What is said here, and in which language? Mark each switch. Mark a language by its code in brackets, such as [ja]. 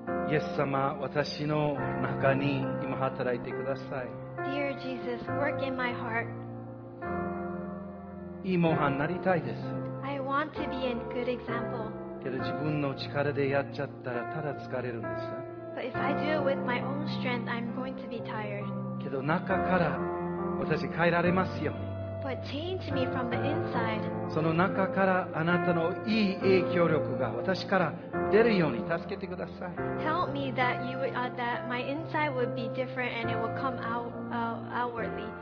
[ja] イエス様、私の中に今働いてください。 [en] Dear Jesus, work in my heart. [ja] いい模範になりたいです。 [en] I want to be a good example. [ja] けど自分の力でやっちゃったらただ疲れるんです。 [en] But if I do it with my own strength, I'm going to be tired. [ja] けど中から私変えられますように。 [en] But change me from the inside. [ja] その中からあなたのいい影響力が私から出るように助けてください。 [en] Help me that, that my inside would be different and it would come out outwardly.